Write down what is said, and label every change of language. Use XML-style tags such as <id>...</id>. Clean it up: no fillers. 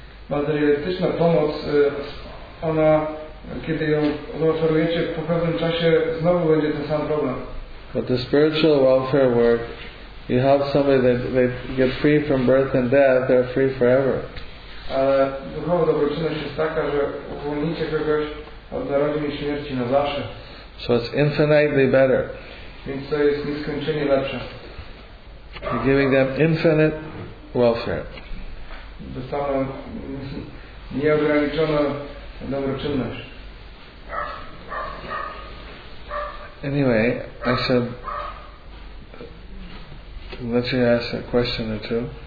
<pl>Materialistyczna pomoc, ona, kiedy ją zaoferujecie, po pewnym czasie znowu będzie ten sam problem.</pl> <en>But the spiritual welfare work, you help somebody that they get free from birth and death, they're free forever.</en> <pl>Ale duchowa dobroczynność jest taka, że uwolnicie kogoś od narodzin i śmierci na zawsze.</pl> <en>So it's infinitely better.</en> <pl>Więc to jest nieskończenie lepsze.</pl> <en>You're giving them infinite welfare.</en> <pl>Dostaną nieograniczoną dobroczynność.</pl> <en>Anyway, I said, let you ask a question or two.</en>